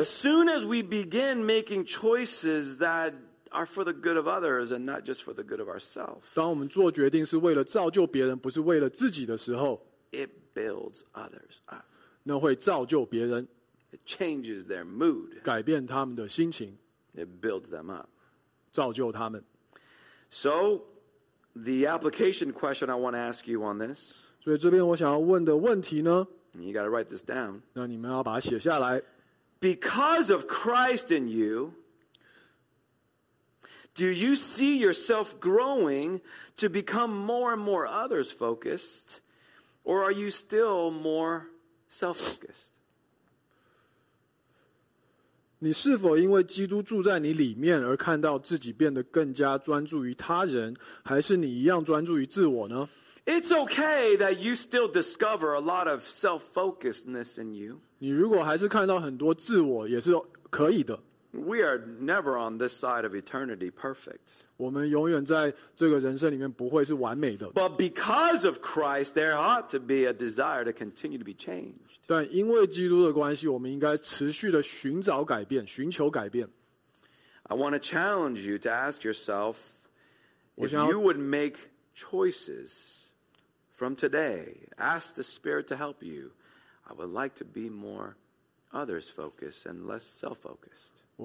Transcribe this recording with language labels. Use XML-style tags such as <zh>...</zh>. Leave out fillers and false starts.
<en>As soon as we begin making choices thatare for the good of others and not just for the good of ourselves.</en> <zh>当我们做决定是为了造就别人，不是为了自己的时候，</zh> <en>it builds others up.</en> <zh>那会造就别人。</zh> <en>It changes their mood.</en> <zh>改变他们的心情。</zh> <en>It builds them up.</en> <zh>造就他们。</zh> <en>So, the application question I want to ask you on this.</en> <zh>所以这边我想要问的问题呢，</zh> <en>you got to write this down.</en> <zh>那你们要把它写下来。</zh> <en>Because of Christ in you,Do you see yourself growing to become more and more others focused, or are you still more self-focused?</en> <zh>你是否因为基督住在你里面而看到自己变得更加专注于他人，还是你一样专注于自我呢？</zh> <en>It's okay that you still discover a lot of self-focusedness in you.</en> <zh>你如果还是看到很多自我，也是可以的。</zh> <en>We are never on this side of eternity perfect. But because of Christ, there ought to be a desire to continue to be changed.</en> <zh>但因为基督的关系, 我们应该持续地寻找改变, 寻求改变。</zh> <en>I want to challenge you to ask yourself if you would make choices from today. Ask the Spirit to help you. I would like to be more others-focused and less self-focused.</en>